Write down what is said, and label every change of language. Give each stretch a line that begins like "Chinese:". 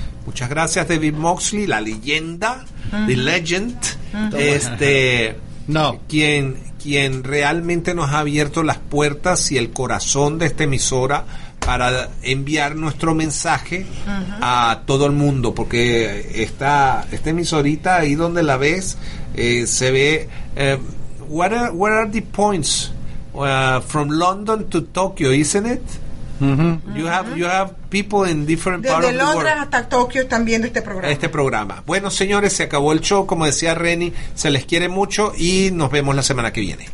Spanish: Muchas gracias, David Moxley, la leyenda,
English: the legend,
Spanish: quien realmente nos ha abierto las puertas y el corazón de esta emisora para enviar nuestro mensaje a todo el mundo, porque esta emisorita ahí donde la ves se ve.
English: What are the points from London to Tokyo, isn't it? Mm-hmm. You have people in different parts of the world.
Spanish: Desde Londres hasta Tokio están viendo este programa. Bueno, señores, se acabó el show. Como decía Reni, se les quiere mucho y nos vemos la semana que viene.